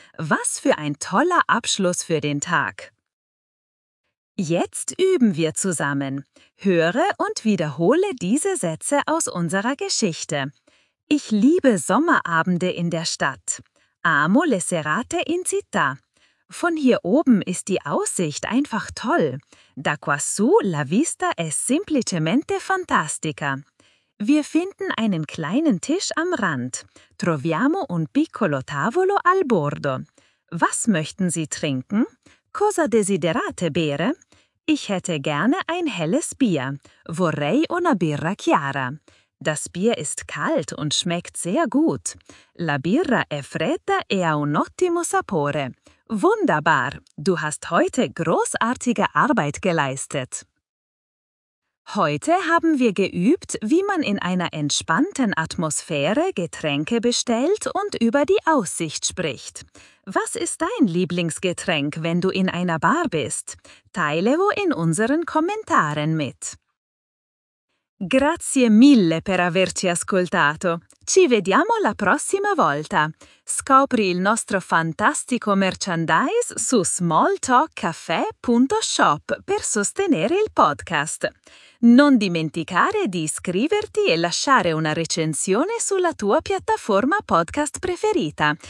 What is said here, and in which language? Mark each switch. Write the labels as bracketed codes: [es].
[de] Was für ein toller Abschluss für den Tag! Jetzt üben wir zusammen. Höre und wiederhole diese Sätze aus unserer Geschichte. Ich liebe Sommerabende in der Stadt. [it] Amo le serate in città. [de] Von hier oben ist die Aussicht einfach toll. [it] Da quassù la vista è semplicemente fantastica. [de] Wir finden einen kleinen Tisch am Rand. [it] Troviamo un piccolo tavolo al bordo. [de] Was möchten Sie trinken? [it] Cosa desiderate bere? [de] Ich hätte gerne ein helles Bier. [it] Vorrei una birra chiara. [de] Das Bier ist kalt und schmeckt sehr gut. [it] La birra è fredda e ha un ottimo sapore. [de] Wunderbar! Du hast heute großartige Arbeit geleistet. Heute haben wir geübt, wie man in einer entspannten Atmosphäre Getränke bestellt und über die Aussicht spricht. Was ist dein Lieblingsgetränk, wenn du in einer Bar bist? Teile es in unseren Kommentaren mit. [it] Grazie mille per averci ascoltato. Ci vediamo la prossima volta. Scopri il nostro fantastico merchandise su smalltalkcafe.shop per sostenere il podcast. Non dimenticare di iscriverti e lasciare una recensione sulla tua piattaforma podcast preferita.